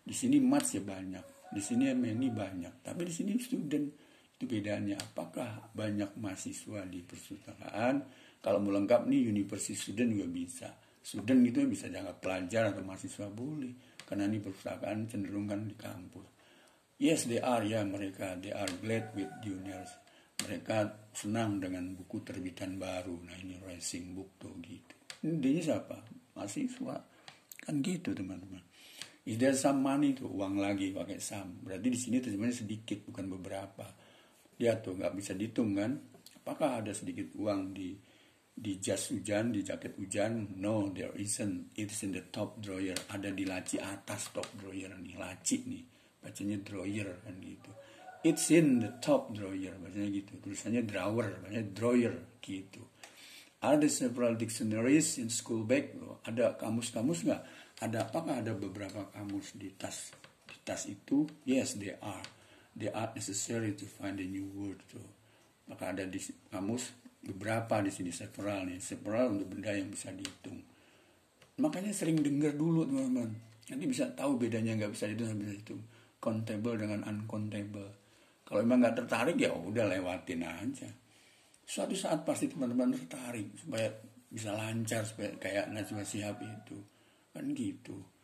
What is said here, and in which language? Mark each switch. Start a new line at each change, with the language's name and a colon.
Indonesian: Di sini much ya banyak, di sini many banyak, tapi di sini student, itu bedanya. Apakah banyak mahasiswa di perpustakaan? Kalau mau lengkap nih, university student juga bisa. Student itu bisa dianggap pelajar atau mahasiswa, boleh, karena ini perpustakaan cenderung kan di kampus.
English: Yes, they are,
Indonesian: ya mereka,
English: they are glad with juniors.
Indonesian: Mereka senang dengan buku terbitan baru. Nah ini
English: rising book
Indonesian: tuh gitu. Ini dia siapa? Mahasiswa. Kan gitu teman-teman.
English: Is there some money
Indonesian: itu uang lagi pakai some. Berarti di sini terjemahnya sedikit bukan beberapa. Lihat tuh enggak bisa dihitung kan? Apakah ada sedikit uang di jas hujan, di jaket hujan?
English: No, there isn't. It's in the top drawer.
Indonesian: Ada di laci atas top drawer nih, laci nih. bacanya drawer kan gitu.
English: It's in the top drawer,
Indonesian: bacanya gitu. Tulisannya drawer, bacanya drawer gitu.
English: Are there several dictionaries in school bag?
Indonesian: Ada kamus-kamus nggak? Ada apakah ada beberapa kamus di tas? Di tas itu?
English: Yes, they are. They are necessary to find a new word.
Indonesian: Apakah ada di kamus? Beberapa di sini, several nih. Several untuk benda yang bisa dihitung. Makanya sering dengar dulu, teman-teman. Nanti bisa tahu bedanya nggak bisa dihitung, bisa dihitung. Countable dengan uncountable. Kalau memang nggak tertarik, ya udah lewatin aja. Suatu saat pasti teman-teman tertarik supaya bisa lancar, supaya kayak Najwa Shihab itu kan gitu.